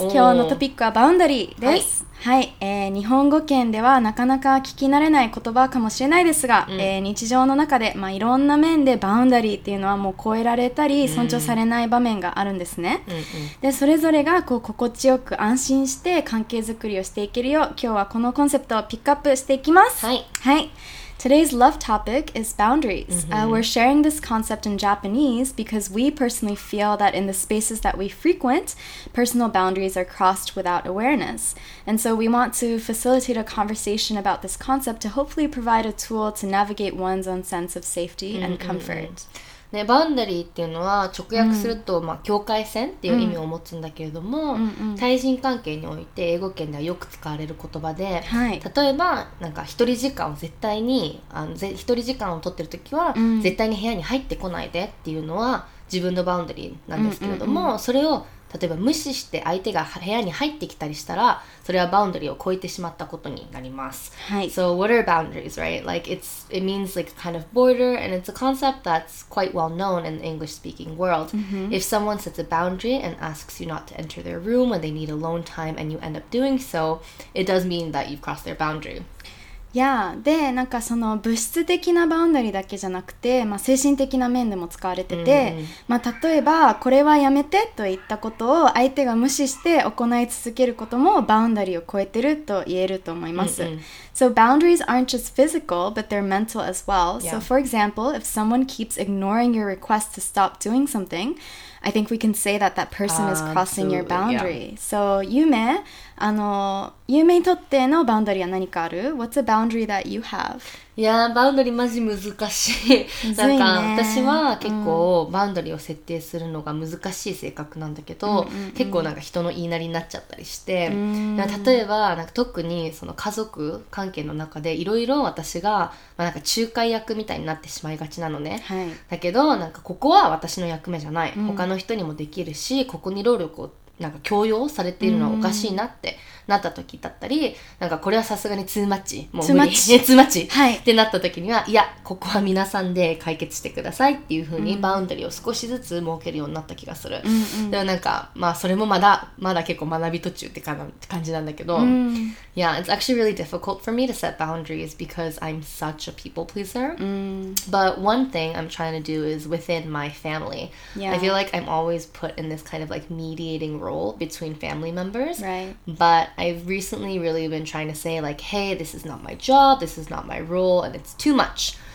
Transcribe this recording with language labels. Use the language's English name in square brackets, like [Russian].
[Japanese] 今日のトピックはバウンダリーです。はい、はい日本語圏ではなかなか聞き慣れない言葉かもしれないですが、うん日常の中で、まあ、いろんな面でバウンダリーっていうのはもう超えられたり尊重されない場面があるんですね。うん、でそれぞれがこう心地よく安心して関係づくりをしていけるよう、今日はこのコンセプトをピックアップしていきます。はい。 [English] はい Today's love topic is boundaries. Mm-hmm. We're sharing this concept in Japanese because we personally feel that in the spaces that we frequent, personal boundaries are crossed without awareness. And so we want to facilitate a conversation about this concept to hopefully provide a tool to navigate one's own sense of safety mm-hmm. and comfort. [Japanese] ね、バウンダリーっていうのは直訳すると、mm-hmm. まあ、境界線っていう意味を持つんだけれども、 mm-hmm. 対人関係において英語圏ではよく使われる言葉で、 mm-hmm. 例えばなんか一人時間を絶対に一人時間を取ってる時は絶対に部屋に入ってこないでっていうのは自分のバウンダリーなんですけれども、mm-hmm. それを例えば無視して相手が部屋に入ってきたりしたらそれはバウンダリーを超えてしまったことになります、はい、 [English] So what are boundaries, right? Like it means like a kind of border and it's a concept that's quite well known in the English speaking world、 mm-hmm. If someone sets a boundary and asks you not to enter their room when they need alone time and you end up doing so it does mean that you've crossed their boundary [Japanese] Yeah, でなんかその物質的なバウンダリーだけじゃなくて、まあ、精神的な面でも使われてて、mm-hmm. まあ例えばこれはやめてと言ったことを相手が無視して行い続けることもバウンダリーを超えてると言えると思います。 Mm-hmm. [English] So boundaries aren't just physical, but they're mental as well. So for example, if someone keeps ignoring your request to stop doing something, I think we can say that that person is crossing your boundary. Yeah. [Japanese] So Yume, Yume にとってのバウンダリーは何かある? [English] What's a boundary that you have? [Japanese] いやー、バウンダリーマジ難しい。むずいね。なんか私は結構バウンダリーを設定するのが難しい性格なんだけど、うん、結構なんか人の言いなりになっちゃったりして、うん、例えばなんか特にその家族関係の中でいろいろ私が、まあ、なんか仲介役みたいになってしまいがちなのね、はい、だけどなんかここは私の役目じゃない、うん、他の人にもできるしここに労力をなんか強要されているのはおかしいなってなった時だったり、うん、なんかこれはさすがにツーマッチもう無理ツーマッチ、ツーマッチ、はい、ってなった時にはいやここは皆さんで解決してくださいっていう風にバウンダリーを少しずつ設けるようになった気がする、うん、でもなんか、まあ、それもまだ結構学び途中って感じなんだけど、うん、 [English] Yeah, it's actually really difficult for me to set boundaries because I'm such a people pleaser、うん、 But one thing I'm trying to do is within my family、 yeah. I feel like I'm always put in this kind of like mediating roleBetween family members, right? But I've recently really been trying to say, like, hey, this is not my job, this is not my role, and it's too much.